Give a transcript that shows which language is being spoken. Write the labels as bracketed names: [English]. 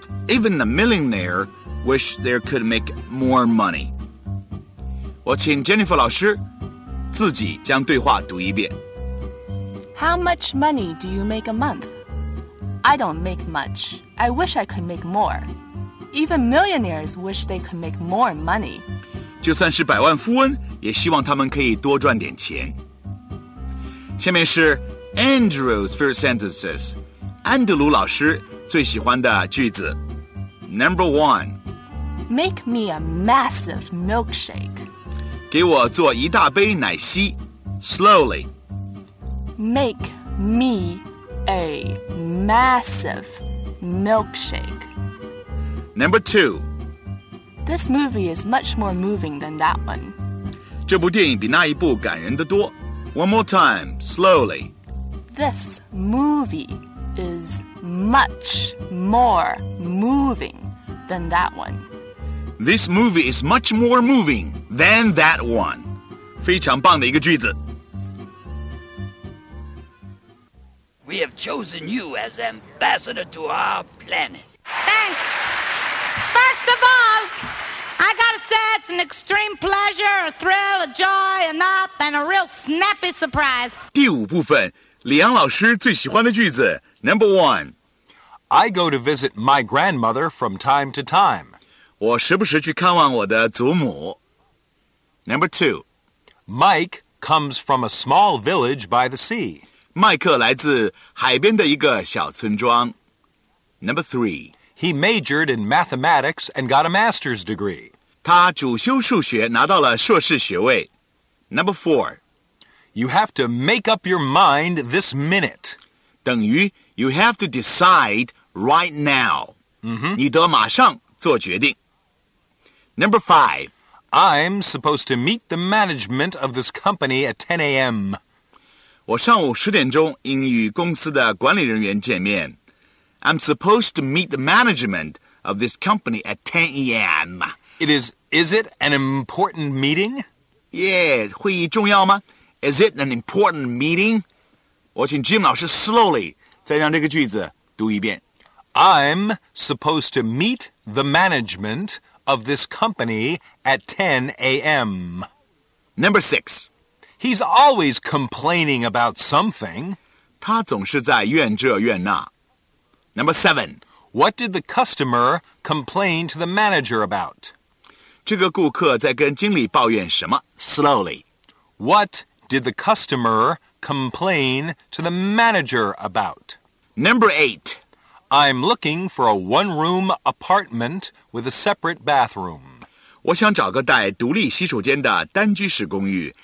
[English] Even the millionaire wish they could make more money. [Chinese] 我请 Jennifer 老师自己将对话读一遍。 [English] How much money do you make a month? I don't make much. I wish I could make more. Even millionaires wish they could make more money. [Chinese] 就算是百万富翁，也希望他们可以多赚点钱。下面是 [English] Andrew's first sentences， [Chinese] 安德鲁老师最喜欢的句子。 [English] Number one， Make me a massive milkshake。 [Chinese] 给我做一大杯奶昔。 [English] Slowly。 Make me a massive milkshake。 Number two， This movie is much more moving than that one。 [Chinese] 这部电影比那一部感人得多。 [English] One more time, slowly. This movie is much more moving than that one. This movie is much more moving than that one. [Chinese] 非常棒的一个句子。 [English] We have chosen you as ambassador to our planet. Thanks. First of all, I gotta say it's an extreme pleasure, a thrill, a joy, an up, and a real snappy surprise. [Chinese] 第五部分，李阳老师最喜欢的句子 ， [English] Number one. I go to visit my grandmother from time to time. [Chinese] 我时不时去看望我的祖母。 [English] Number two. Mike comes from a small village by the sea. [Chinese] 麦克来自海边的一个小村庄。 [English] Number three. He majored in mathematics and got a master's degree. [Chinese] 他主修数学拿到了硕士学位。 [English] Number four. You have to make up your mind this minute. [Chinese] 等于 [English] you have to decide right now.、 Mm-hmm. [Chinese] 你得马上做决定。 [English] Number five. I'm supposed to meet the management of this company at 10 a.m. [Chinese] 我上午十点钟应与公司的管理人员见面。 [English] I'm supposed to meet the management of this company at 10 a.m. Is it an important meeting? Yeah, [Chinese] 会议重要吗? [English] Is it an important meeting? [Chinese] 我请 Jim 老师 slowly 再让这个句子读一遍。 [English] I'm supposed to meet the management of this company at 10 a.m. Number six. He's always complaining about something. [Chinese] 他总是在怨这怨那。 [English] Number seven. What did the customer complain to the manager about? [Chinese] 这个顾客在跟经理抱怨什么? [English] Slowly. What did the customer complain to the manager about? Number eight. I'm looking for a one-room apartment with a separate bathroom. [Chinese] 我想找个带独立洗手间的单居室公寓.